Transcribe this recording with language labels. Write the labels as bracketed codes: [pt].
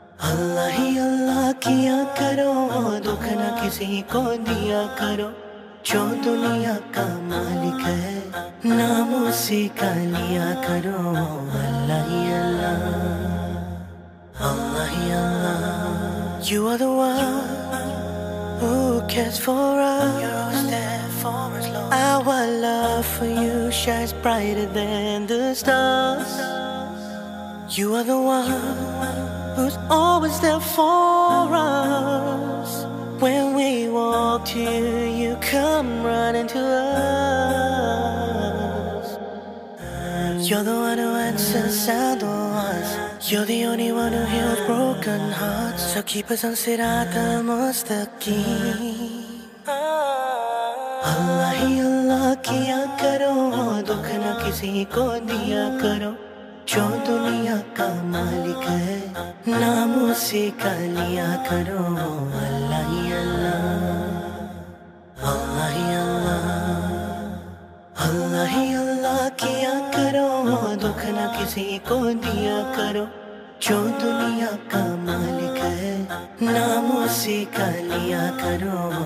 [hi] अल्लाह ही अल्लाह किया करो, दुख न किसी को दिया करो, जो दुनिया का मालिक है नाम उसे का लिया करो। अल्लाह ही अल्लाह, अल्लाह ही अल्लाह। [en] You are the one who cares for us. You're always there for us, Lord. Our love for you shines brighter than the stars. You are the one who's always there for us. When we walk to you, you come running to us. You're the one who answers our doors. You're the only one who heals broken hearts. So keep us on Siratul Mustaqim. [hi] Allah hi Allah kiya karo, dukh na kisi ko diya karo, जो दुनिया का मालिक है नाम उसे का लिया करो। अल्लाह ही अल्लाह, अल्लाह ही अल्लाह, अल्लाह ही अल्लाह किया करो, दुख ना किसी को दिया करो, जो दुनिया का मालिक है नाम उसे का लिया करो।